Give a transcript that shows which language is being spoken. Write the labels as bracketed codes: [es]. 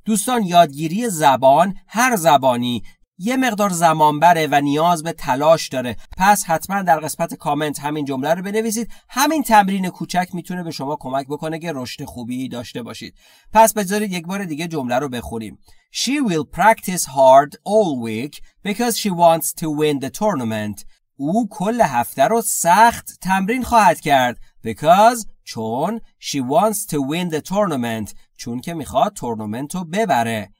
[fa] دوستان یادگیری زبان، هر زبانی، یه مقدار زمان بره و نیاز به تلاش داره. پس حتما در قسمت کامنت همین جمله رو بنویسید. همین تمرین کوچک میتونه به شما کمک بکنه که رشد خوبی داشته باشید. پس بذارید یک بار دیگه جمله رو بخونیم. [en] She will practice hard all week because she wants to win the tournament. [fa] او کل هفته رو سخت تمرین خواهد کرد. [en] Because چون she wants to win the tournament. [fa] چون که میخواد تورنمنت رو ببره.